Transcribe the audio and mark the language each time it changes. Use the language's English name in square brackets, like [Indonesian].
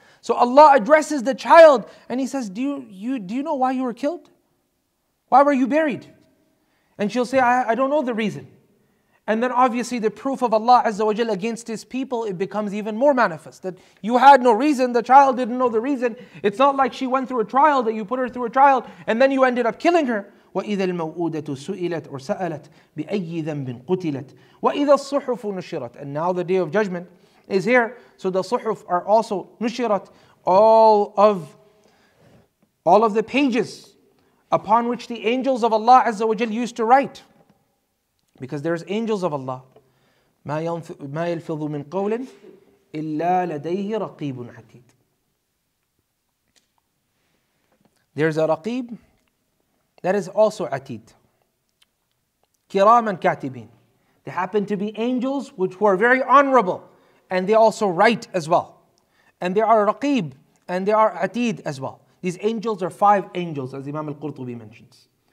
[English] So Allah addresses the child and He says, do you know why you were killed? Why were you buried? And she'll say, I don't know the reason. And then obviously the proof of Allah Azza wa Jalla against His people, it becomes even more manifest. That you had no reason, the child didn't know the reason. It's not like she went through a trial, that you put her through a trial and then you ended up killing her. [Arabic] وَإِذَا الْمَوْءُودَةُ سُئِلَتْ or سَأَلَتْ بِأَيِّ ذَنْبٍ قُتِلَتْ وَإِذَا الصُّحُفُ نُشِرَتْ [English] And now the Day of Judgment is here. So the suhuf are also nushirat, all of the pages upon which the angels of Allah Azza wa Jal used to write. Because there's angels of Allah. [Arabic] مَا يَلْفِظُ مِنْ قَوْلٍ إِلَّا لَدَيْهِ رَقِيبٌ عَتِيدٌ [English] There's a raqib that is also atid. [Arabic] كِرَامًا كَاتِبِينَ [English] They happen to be angels which were very honorable. And they also write as well. And they are raqib and they are atid as well. These angels are five angels, as Imam Al-Qurtubi mentions.